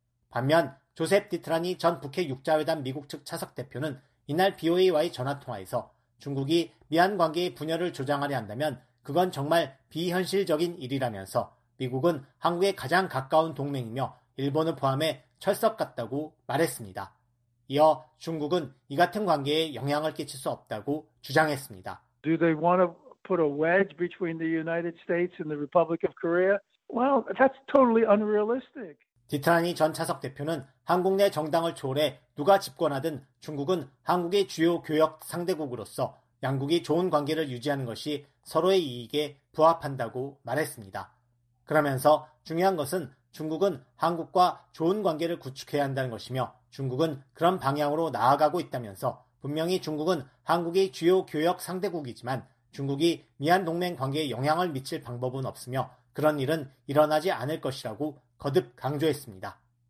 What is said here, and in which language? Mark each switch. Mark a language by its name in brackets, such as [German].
[Korean] 반면 조셉 디트라니 전 북핵 6자회담 미국 측 차석 대표는 이날 BOA와의 전화통화에서 중국이 미한 관계의 분열을 조장하려 한다면 그건 정말 비현실적인 일이라면서 미국은 한국에 가장 가까운 동맹이며 일본을 포함해 철석 같다고 말했습니다. 이어 중국은 이 같은 관계에 영향을 끼칠 수 없다고 주장했습니다. [English] Do they want to put a wedge between the United States and the Republic of Korea? Well, that's totally unrealistic. [Korean] 디트라니 전 차석 대표는 한국 내 정당을 초월해 누가 집권하든 중국은 한국의 주요 교역 상대국으로서 양국이 좋은 관계를 유지하는 것이 서로의 이익에 부합한다고 말했습니다. 그러면서 중요한 것은 중국은 한국과 좋은 관계를 구축해야 한다는 것이며 중국은 그런 방향으로 나아가고 있다면서 분명히 중국은 한국의 주요 교역 상대국이지만 중국이 미한 동맹 관계에 영향을 미칠 방법은 없으며 그런 일은 일어나지 않을 것이라고 거듭 강조했습니다.